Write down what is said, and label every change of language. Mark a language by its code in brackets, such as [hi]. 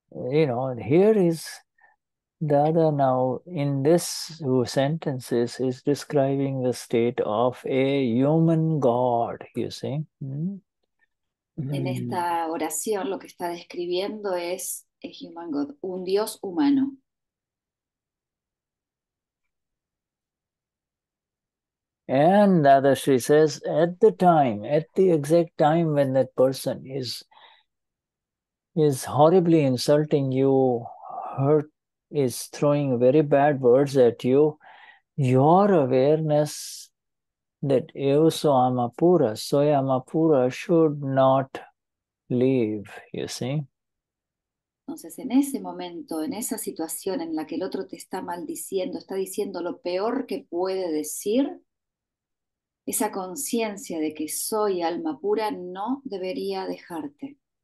[en] You know, here is Dada now in this sentences is describing the state of a human god, you see. Mm-hmm. [es] En esta oración lo que está describiendo es [en] a human god, [es] un dios humano. [en] And Dadashri says, at the time, at the exact time when that person is horribly insulting you, hurt, is throwing very bad words at you, your awareness that [es] eu soy amapura [en] should not leave, you see. [es] Entonces, en ese momento, en esa situación en la que el otro te está maldiciendo, está diciendo lo peor que puede decir, esa conciencia de que soy alma pura no debería dejarte.